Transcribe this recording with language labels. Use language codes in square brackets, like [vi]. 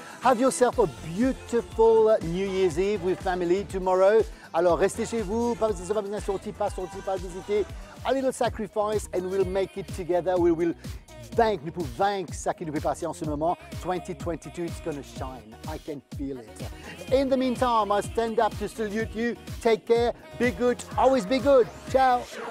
[en] Have yourself a beautiful New Year's Eve with family tomorrow. [fr] Alors, restez chez vous. Pas besoin de sortir, pas sortir, pas visiter. [en] A little sacrifice and we'll make it together. We will [fr] vaincre, nous pouvons vaincre ça qui nous fait passer en ce moment. [en] 2022, it's gonna shine. I can feel it. In the meantime, I stand up to salute you. Take care, be good, always be good. Ciao.